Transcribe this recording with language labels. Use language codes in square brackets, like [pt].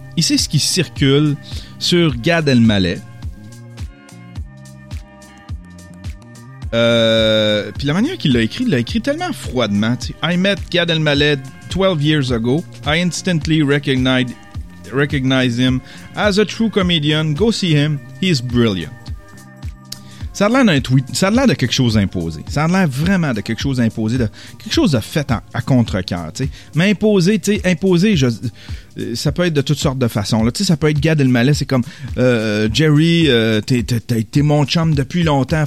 [fr] Il sait ce qui circule sur Gad Elmaleh. Puis la manière qu'il l'a écrit tellement froidement. Tu sais, [en] I met Gad Elmaleh 12 years ago. I instantly recognize him as a true comedian. Go see him. He is brilliant. [fr] Ça a l'air d'un tweet. Ça a l'air de quelque chose imposé. Ça a l'air vraiment de quelque chose imposé. De quelque chose de fait à contre-cœur. Tu sais. Mais imposé, tu sais, imposé, ça peut être de toutes sortes de façons. Là. Tu sais, ça peut être Gad Elmaleh. C'est comme Jerry, t'es mon chum depuis longtemps.